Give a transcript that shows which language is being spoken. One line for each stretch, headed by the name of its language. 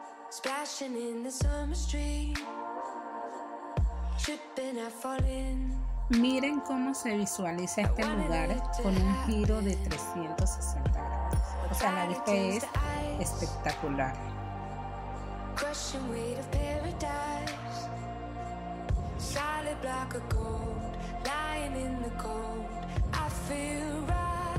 English: Splashing in the summer stream, tripping, I fall in.
Spanish: Miren cómo se visualiza este lugar con un giro de 360 grados. O sea, la vista es espectacular.
English: Crushing weight of paradise, solid block of gold, lying in the cold, I feel right.